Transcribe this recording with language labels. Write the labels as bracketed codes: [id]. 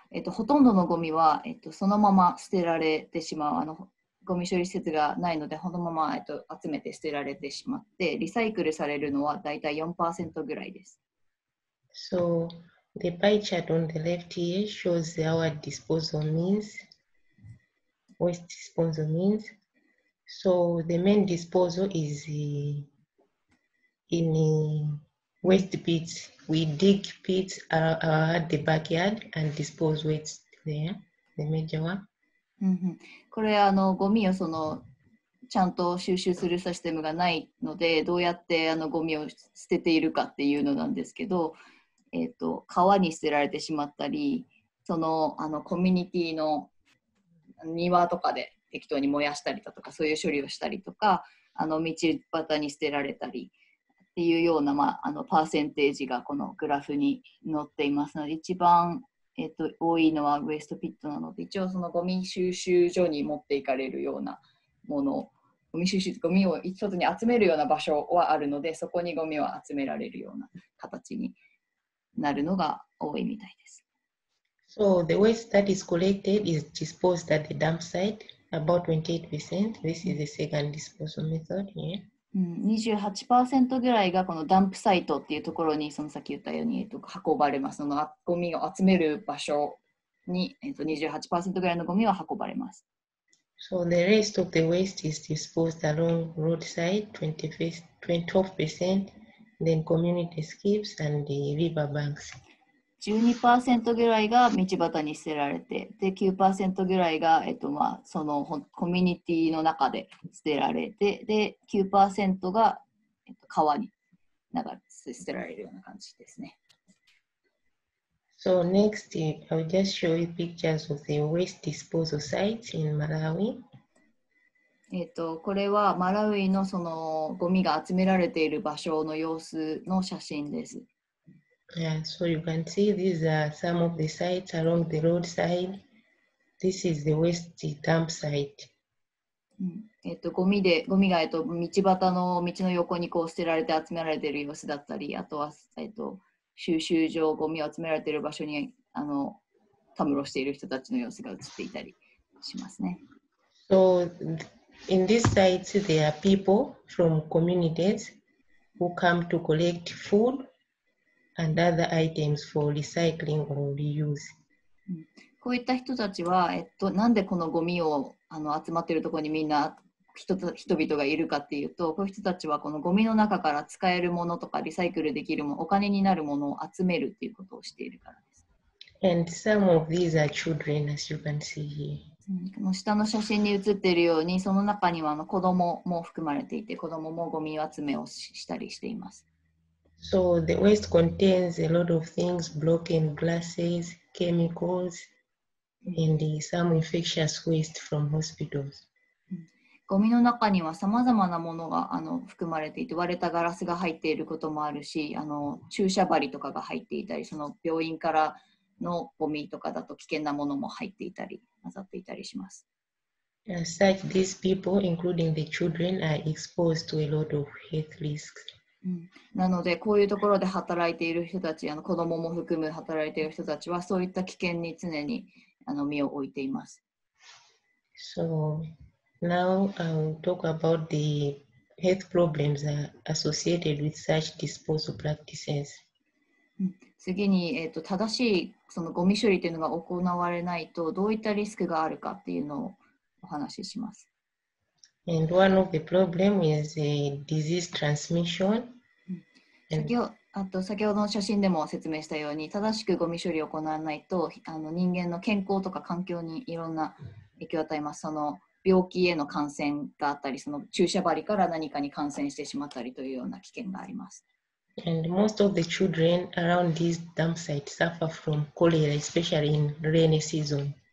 [ja] ほとんどのゴミは、そのまま捨てられてしまう。あのゴミ処理施設がないので、そのまま集めて捨てられてしまって、リサイクルされるのはだいたい 4% ぐらいです。 [en] So, the pie chart on the left here shows our disposal means, waste disposal means. So the main disposal is in waste pits. We dig pits at the backyard and dispose waste there. The major one. [ja] これあのゴミをそのちゃんと収集するシステムがないので、どうやってあのゴミを捨てているかっていうのなんですけど、川に捨てられてしまったり、そのあのコミュニティの庭とかで適当に燃やしたりだとか、そういう処理をしたりとか、あの道端に捨てられたりっていうような、まあ、あのパーセンテージがこのグラフに載っていますので、一番、多いのはウエストピットなので、一応そのゴミ収集所に持っていかれるようなもの、ゴミ収集、ゴミを一つに集めるような場所はあるので、そこにゴミを集められるような形になるのが多いみたいです。 [en] So the waste that is collected is disposed at the dump siteAbout 28%. This is the second disposal method. Yeah. [ja] 28% ぐらいがこのダンプサイトっていうところに、その先言ったように運ばれます。そのゴミを集める場所に、28% ぐらいのゴミは運ばれます。 [en] So the rest of the waste is disposed along roadside, 12%, then community skips and the river banks. [ja] 12% ぐらいが道端に捨てられて、で 9% ぐらいが、まあ、そのコミュニティの中で捨てられて、で 9% が、川に流れ捨てられるような感じですね。 [en] So next, I'll just show you pictures of the waste disposal sites in Malawi. [ja] これはマラウイのそのゴミが集められている場所の様子の写真です。 [en] Yeah, so you can see these are some of the sites along the roadside. This is the waste dump site. [ja] ゴミで、ゴミが道端の道の横にこう捨てられて集められている様子だったり、あとは収集場、ゴミを集められている場所にあのたむろしている人たちの様子が映っていたりしますね。 [en] So in these sites, there are people from communities who come to collect food. And other items for recycling or reuse. [ja] こういった人たちは、なんでこのゴミをあの集まっているところにみんな人々がいるかっていうと、こういう人たちはこのゴミの中から使えるものとかリサイクルできるもの、お金になるものを集めるということをしているからです。 [en] And some of these are children, as you can see here. [ja] この下の写真に写っているように、その中にはあの子供も含まれていて、子供もゴミ集めをしたりしています。 [en] So the waste contains a lot of things, broken glasses, chemicals, and some infectious waste from hospitals. [ja] ゴミの中にはさまざまなものがあの含まれていて、割れたガラスが入っていることもあるし、あの注射針とかが入っていたり、その病院からのゴミとかだと危険なものも入っていたり、混ざっていたりします。 [en] As such, these people, including the children, are exposed to a lot of health risks. [ja] なのでこういうところで働いている人たち、あの子供も含む働いている人たちはそういった危険に常にあの身を置いています。 [en] So now I'll talk about the health problems associated with such disposal practices. [ja] 次に、正しいそのゴミ処理というのが行われないとどういったリスクがあるかというのをお話しします。 [en] And one of the problem is a disease transmission. [ja] 先ほどの写真でも説明したように、正しくゴミ処理を行わないと人間の健康とか環境にいろんな影響を与えます。その病気への感染があったり、その注射針から何かに感染してしまったりというような危険があります。 [en] And most of the children around this dump site suffer from cholera, especially in rainy season.